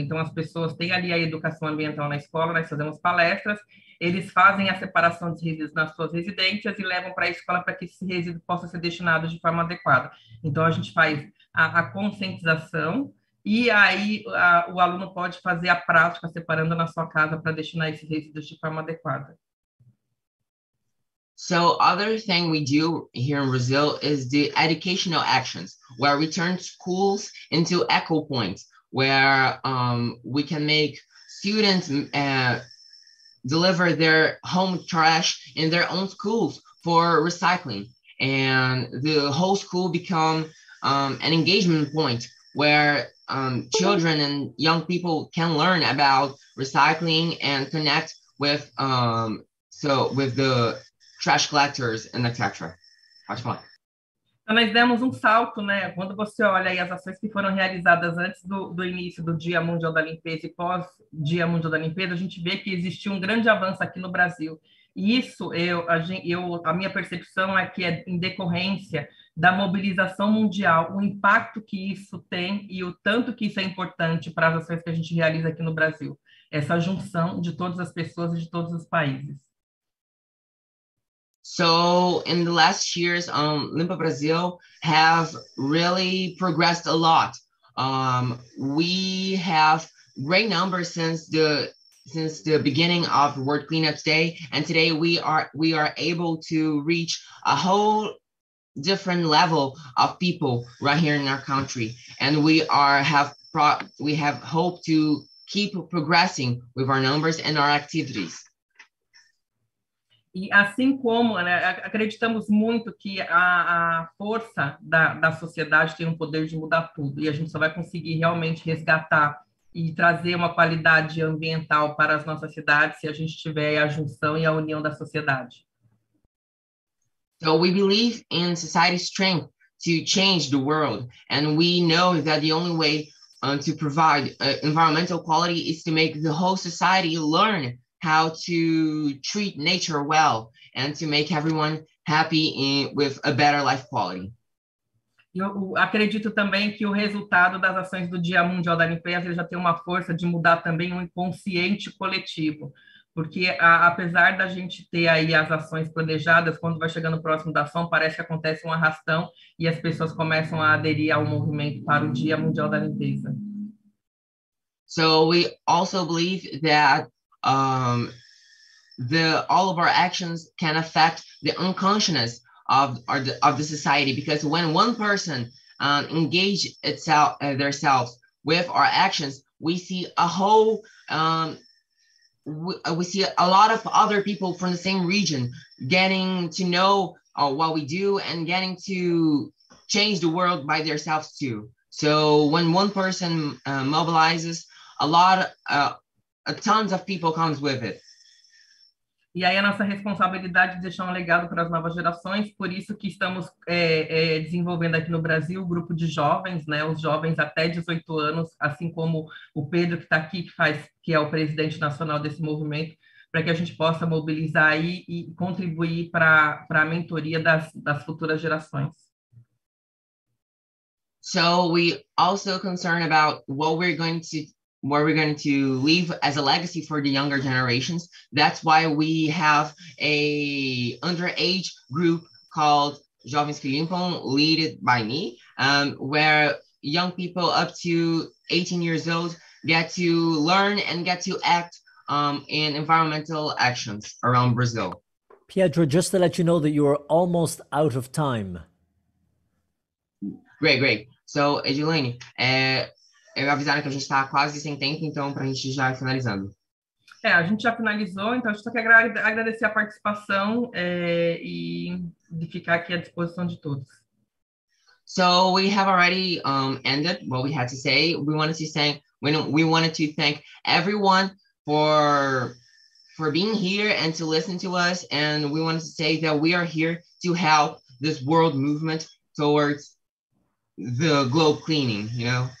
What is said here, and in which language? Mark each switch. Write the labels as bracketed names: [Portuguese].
[Portuguese] Então, as pessoas têm ali a educação ambiental na escola, nós fazemos palestras, eles fazem a separação dos resíduos nas suas residências e levam para a escola para que esse resíduo possa ser destinado de forma adequada. Então, a gente faz a conscientização E aí o aluno pode fazer a prática separando na sua casa para destinar esses resíduos de forma adequada. [English] So other thing we do here in Brazil is the educational actions, where we turn schools into eco points, where we can make students deliver their home trash in their own schools for recycling. And the whole school become an engagement point where children and young people can learn about recycling and connect with with the trash collectors and etc. [Portuguese] Então, nós demos um salto, né? Quando você olha aí as ações que foram realizadas antes do início do Dia Mundial da Limpeza e pós-Dia Mundial da Limpeza, a gente vê que existiu um grande avanço aqui no Brasil. E isso, a minha percepção é que é em decorrência da mobilização mundial, o impacto que isso tem e o tanto que isso é importante para as ações que a gente realiza aqui no Brasil. Essa junção de todas as pessoas e de todos os países. [English] So in the last years, Limpa Brazil have really progressed a lot. We have great numbers since the beginning of World Cleanup Day, and today we are able to reach a whole different level of people right here in our country, and we have hope to keep progressing with our numbers and our activities. [Portuguese] E assim como, né, acreditamos muito que a força da sociedade tem um poder de mudar tudo e a gente só vai conseguir realmente resgatar e trazer uma qualidade ambiental para as nossas cidades se a gente tiver a junção e a união da sociedade. [English] So we believe in society's strength to change the world and we know that the only way to provide environmental quality is to make the whole society learn how to treat nature well and to make everyone happy with a better life quality. [Portuguese] Eu acredito também que o resultado das ações do Dia Mundial da Limpeza já tem uma força de mudar também o inconsciente coletivo, porque apesar da gente ter aí as ações planejadas, quando vai chegando próximo da ação, parece que acontece um arrastão e as pessoas começam a aderir ao movimento para o Dia Mundial da Limpeza. [English] So we also believe that all of our actions can affect the unconsciousness of the society, because when one person engage itself themselves with our actions, we see a whole we see a lot of other people from the same region getting to know what we do and getting to change the world by themselves too. So when one person mobilizes tons of people comes with it. [Portuguese] E aí a nossa responsabilidade de deixar um legado para as novas gerações, por isso que estamos desenvolvendo aqui no Brasil o grupo de jovens, né, os jovens até 18 anos, assim como o Pedro que está aqui, que é o presidente nacional desse movimento, para que a gente possa mobilizar aí e contribuir para a mentoria das futuras gerações. [English] So we also concern about what we're going to leave as a legacy for the younger generations. That's why we have a underage group called Jovens que Limpam, led by me, where young people up to 18 years old get to learn and get to act in environmental actions around Brazil. Pietro, just to let you know that you are almost out of time. Great. [Portuguese] So, Edilene, eu avisaram que a gente está quase sem tempo, então, para a gente já ir finalizando. A gente já finalizou, então, a gente só quer agradecer a participação e ficar aqui à disposição de todos. [English] So, we have already ended what we had to say. We wanted to thank everyone for being here and to listen to us, and we wanted to say that we are here to help this world movement towards the globe cleaning, you know?